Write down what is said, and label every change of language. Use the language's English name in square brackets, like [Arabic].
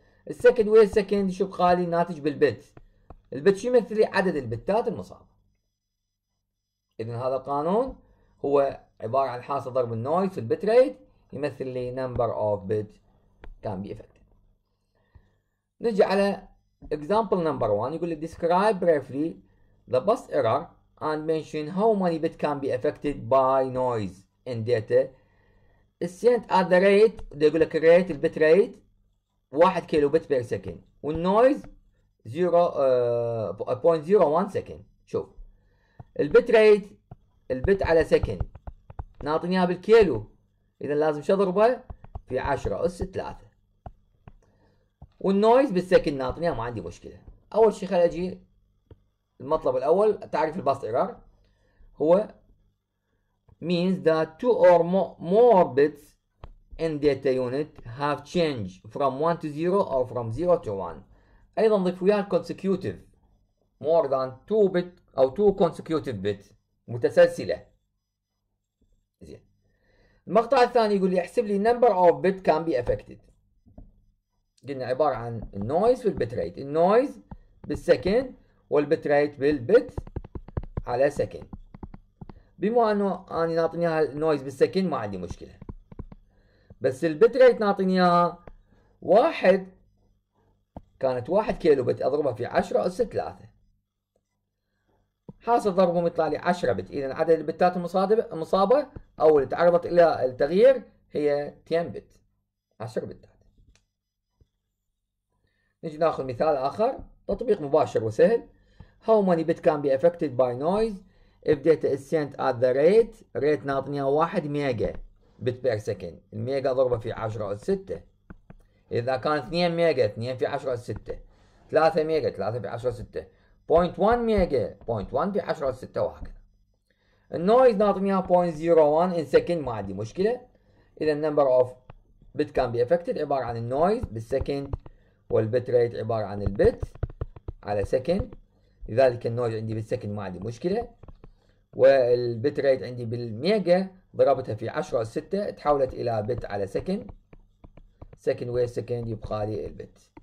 [Arabic] السكن ويا السكن شو بقالي؟ ناتج بالبت. البت شو يمثل؟ عدد البتات المصابه. اذا هذا القانون هو عباره عن حاصل ضرب النويز في البت ريت يمثل لي [English] Number of bit can be affected. نجي على example number 1، يقول لي describe briefly the bus error and mention how many bit can be affected by noise in data sent at the rate. [Arabic] ده يقول لك الريت، البت ريت 1 كيلو بت بير سكند، والنويز 0.01 سكند. شوف البت ريت، البت على سكند ناطينها بالكيلو، اذا لازم شضربه في 10 اس 3، والنويز بالسكند ناطينها، ما عندي مشكله. اول شيء خل اجي المطلب الأول، تعريف الباست إيرور هو [English] means that two or more bits in data unit have changed from 1 to 0 or from 0 to 1. [Arabic] أيضا ضيف وياها [English] consecutive more than two bit [Arabic] أو [English] two consecutive bit [Arabic] متسلسلة. زين المقطع الثاني يقول لي احسب لي [English] number of bit can be affected. [Arabic] قلنا عبارة عن noise في البت ريت، النويز بالسكند، والبت ريت بالبت على سكن. بما انه انا ناطنيها النويز بالسكن ما عندي مشكلة، بس البت ريت ناطنيها واحد، كانت 1 كيلو بت اضربها في 10 اس 3، حاصل ضربهم يطلع لي 10 بت. اذا عدد البتات المصابة او اللي تعرضت الى التغيير هي 10 بت، 10 بتات. نجي ناخذ مثال اخر، تطبيق مباشر وسهل. [English] How many bit can be affected by noise if data is sent at the rate [Arabic] ناطنيها 1 ميجا بت بير سكند، الميجا ضربه في 10 أس 6. إذا كان 2 ميجا 2 في 10 أس 6، 3 ميجا 3 في 10 أس 6، 0.1 ميجا 0.1 في 10 أس 6 وهكذا. النويز ناطنيها 0.01 [English] in second، [Arabic] ما عندي مشكلة. إذا [English] number of bit can be affected [Arabic] عبارة عن النويز بالسكند، والبت ريت عبارة عن البت على سكند، لذلك النويز عندي بالسكن ما عندي مشكلة، والبت ريت عندي بالميجا ضربتها في 10 أس 6 تحولت إلى بت على سكن، سكن ويا سكن يبقى لي البت.